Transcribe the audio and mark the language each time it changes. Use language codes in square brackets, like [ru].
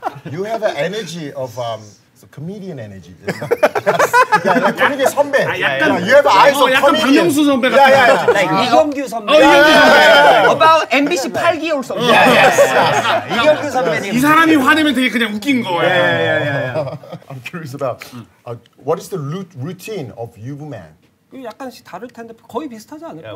[en] You have an energy of... comedian energy. Yeah, yeah, like 선배. Yeah, yeah, yeah. You have eyes of comedian. [ko] 박명수 선배 같은. [en] Yeah, yeah, yeah. Like 이경규 선배. Oh, yeah, yeah, yeah, yeah. About MBC 8기월 선배. Yeah, yeah, yeah. [ko] 이경규 선배님. 이 사람이 화내면 되게 그냥 웃긴 거야. [en] Yeah, yeah, yeah, yeah. I'm curious about what is the routine of you man? [ko] 약간씩 다를 텐데 거의 비슷하지 않을까?